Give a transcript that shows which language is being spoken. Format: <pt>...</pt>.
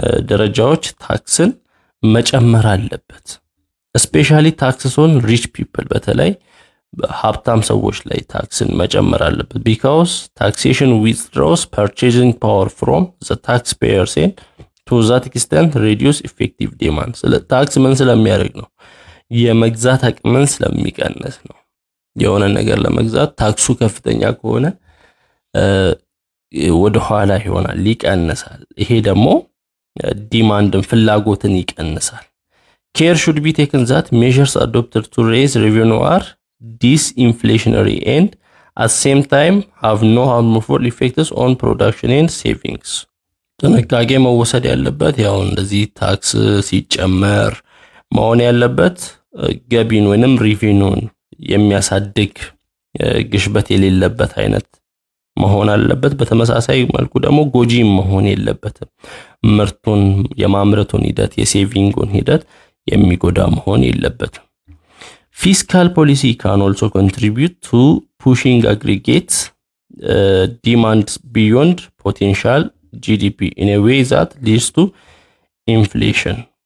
<am>ደረጃዎች ታክስን መጨመር አለበት</am> <en>especially taxes on rich people</en> <am>በተለይ ሀብታም ሰዎች ላይ ታክስን መጨመር አለበት</am> <en>because taxation withdraws purchasing power from the taxpayers and to to that extent reduce effective demand.</en> <am>ስለ ታክስ ምን ስለሚያርግ ነው? የመግዛት አቅም ምን ስለሚቀንስ ነው? የሆነ ነገር ለመግዛት ታክሱ ከፍተኛ ከሆነ ወደ ኋላ ይሆናል ሊቀንሳል። ይሄ ደግሞ ዲማንድን ፍላጎትን ይቀንሳል።</am> <en>Care should be taken that measures adopted to raise revenue are disinflationary and at the same time have no harmful effects on production and savings.</en> <am>ጥንቃቄ መወሰድ ያለበት ያው እንደዚህ ታክስ ሲጨመር መሆን ያለበት ገቢን ወይንም ሪቬኑን የሚያሳድግ ግሽበት የሌለበት አይነት መሆን አለበት። በተመሳሳይ መልኩ ደግሞ ጎጂ መሆን የለበትም። ምርቱን የማምረቱን ሂደት የሴቪንግን ሂደት የሚጎዳ መሆን የለበትም።</am> <en>Fiscal policy can also contribute to pushing aggregate demand beyond potential GDP in a way that leads to inflation.</en>